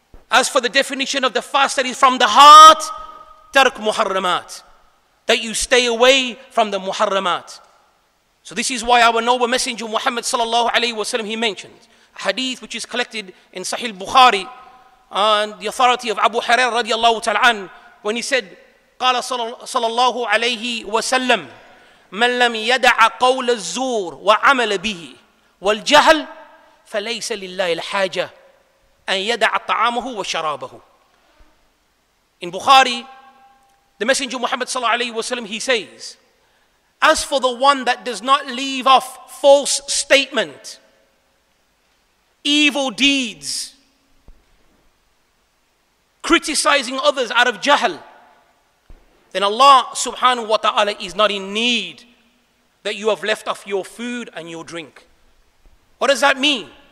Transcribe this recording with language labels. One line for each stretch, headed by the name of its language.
English: As for the definition of the fast that is from the heart,
Arabic: ترك محرمات.
English: That you stay away from the محرمات. So this is why our noble messenger Muhammad sallallahu alayhi wa sallam, he mentions a hadith which is collected in Sahih Bukhari on the authority of Abu Hurairah radiallahu ta'ala an, when he said,
Arabic: قال صلى الله عليه وسلم من لم يدع قول الزور وعمل به والجهل فليس لله الحاجة أن يدع طعامه وشرابه.
English: In Bukhari, the Messenger Muhammad صلى الله عليه وسلم, he says, as for the one that does not leave off false statement, evil deeds, criticizing others out of jahl, then Allah subhanahu wa ta'ala is not in need that you have left off your food and your drink. What does that mean?